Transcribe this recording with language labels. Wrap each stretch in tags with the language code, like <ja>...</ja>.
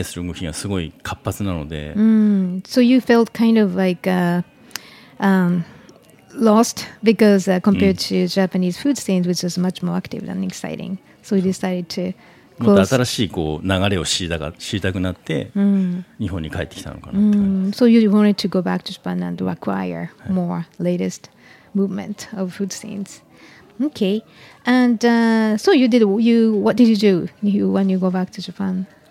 <ja>なんか向こうにいた時にすごい不安になって、まあレストラン2軒やってて順調だったんですけど、やっぱり日本の方がこうレストランの動きとか食に対する動きがすごい活発なので。</ja> <en>So you felt kind of like lost because compared to Japanese food scene which is much more active and exciting. So you decided to</en> <ja>もっと新しいこう流れを知りたくなって日本に帰ってきたのかなって感じ。</ja> <en>So you wanted to go back to Japan and acquire more latest movement of food scenes. Okay. And so you did you what did you do you, when you go back to Japan?</en>